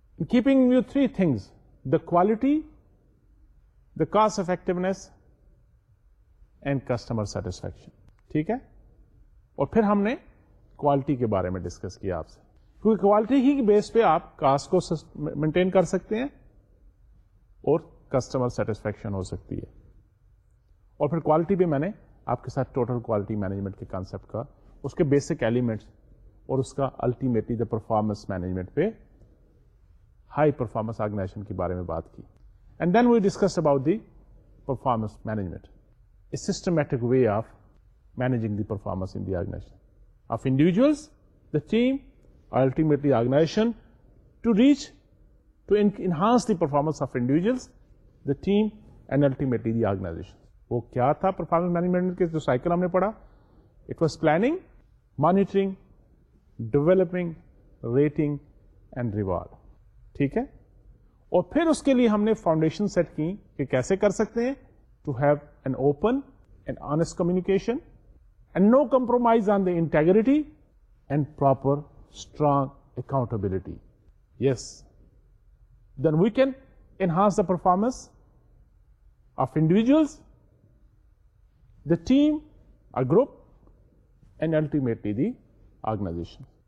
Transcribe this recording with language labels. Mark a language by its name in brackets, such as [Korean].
[English] Keeping you three things, the quality, the cost effectiveness and customer satisfaction. [Urdu] ٹھیک ہے, اور پھر ہم نے کوالٹی کے بارے میں ڈسکس کیا آپ سے, کیونکہ کوالٹی ہی کی بیس پہ آپ کاسٹ کو مینٹین کر سکتے ہیں اور کسٹمر سیٹسفیکشن ہو سکتی ہے. اور پھر کوالٹی بھی میں نے آپ کے ساتھ ٹوٹل کوالٹی مینجمنٹ کے کانسیپٹ کا, اس کے بیسک ایلیمنٹس اور اس کا الٹیمیٹلی دا پرفارمنس مینجمنٹ پہ ہائی پرفارمنس آرگنائزیشن کے بارے میں بات کی. [English] And then we discuss about the performance management, a systematic way of managing the performance in the organisation of individuals, the team, ultimately organisation, to reach to enhance the performance of individuals, the team and ultimately the organisation. [Urdu] وہ کیا تھا performance management کے جو cycle ہم نے پڑھا, [English] It was planning, monitoring, developing, rating and reward. [Urdu] ٹھیک ہے, اور پھر اس کے لیے ہم نے فاؤنڈیشن سیٹ کی کہ کیسے کر سکتے ہیں, [English] To have an open and honest communication and no compromise on the integrity and proper strong accountability. Yes, then we can enhance the performance of individuals, the team, a group and ultimately the organisation.